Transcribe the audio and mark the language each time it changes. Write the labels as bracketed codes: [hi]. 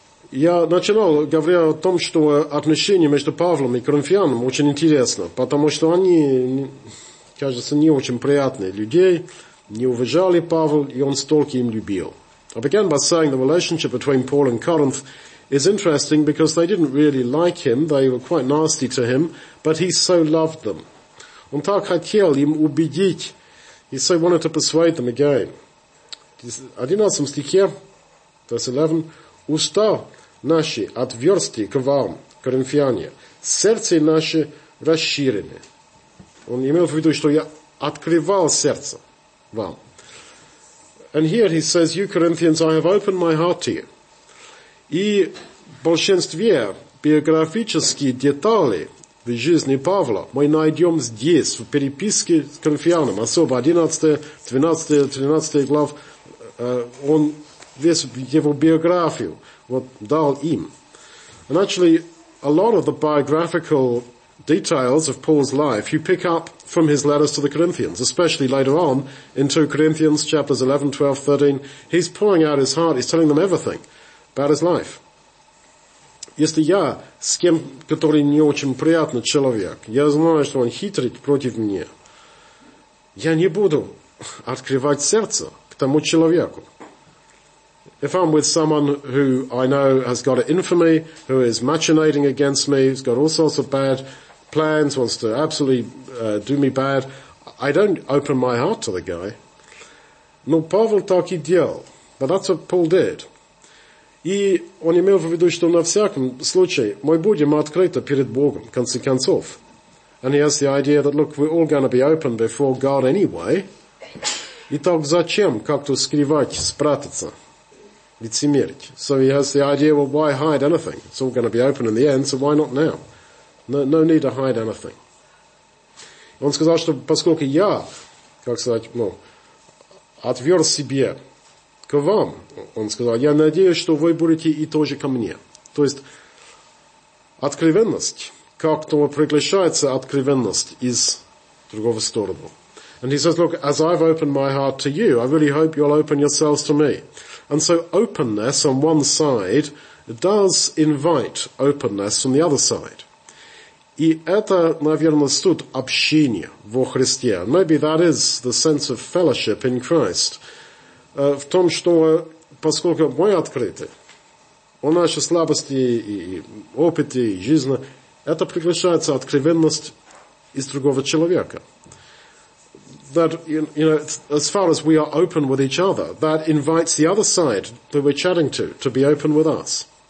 [ru] Я начинал говоря о том, что отношения между Павлом и Коринфянам очень интересны, потому что они, кажется, не очень приятные людей, не уважали Павла, и он столько им любил. [en] I began by saying the relationship between Paul and Corinth is interesting because they didn't really like him, they were quite nasty to him, but he so loved them. [ru] Он так хотел им убедить, [en] he so wanted to persuade them again. [ru] 11 стихе, [en] verse 11, [ru] «Уста наши отверсти к вам, коринфяне, сердце наше расширено». Он имел в виду, что я открывал сердце вам. [en] And here he says, you Corinthians, I have opened my heart to you. [ru] И в большинстве биографических деталей в жизни Павла мы найдем здесь, в переписке с коринфянам, особо 11-12 глав, он весь его биографию вот дал им. [en] And actually, a lot of the biographical details of Paul's life you pick up from his letters to the Corinthians, especially later on in 2 Corinthians chapters 11, 12, 13. He's pouring out his heart, he's telling them everything about his life. [ru] Если я с кем, который не очень приятный человек, я знаю, что он хитрит против меня, я не буду открывать сердце к тому человеку. [en] If I'm with someone who I know has got an infamy, who is machinating against me, who's got all sorts of bad plans, wants to absolutely do me bad, I don't open my heart to the guy. [ru] Но Павел так и делал. [en] But that's what Paul did. [ru] И он имел в виду, что на всяком случае мы будем открыты перед Богом, в конце концов. [en] And he has the idea that, look, we're all going to be open before God anyway. [ru] И так зачем как-то скрывать, спрятаться? [en] So he has the idea, well, why hide anything? It's all going to be open in the end, so why not now? No need to hide anything. [ru] Он сказал, что поскольку я, как сказать, ну, отвер себе к вам, он сказал, я надеюсь, что вы будете и тоже ко мне. То есть откровенность, как-то приглашается откровенность из другого стороны. [en] And he says, look, as I've opened my heart to you, I really hope you'll open yourselves to me. And so openness on one side does invite openness on the other side. [ru] И это, наверное, суть общения во Христе. [en] Maybe that is the sense of fellowship in Christ. [ru] В том, что поскольку мы открыты, у нашей слабости и опыта и жизни, это приглашается откровенность из другого человека. [en] That, you know, as far as we are open with each other, that invites the other side that we're chatting to be open with us.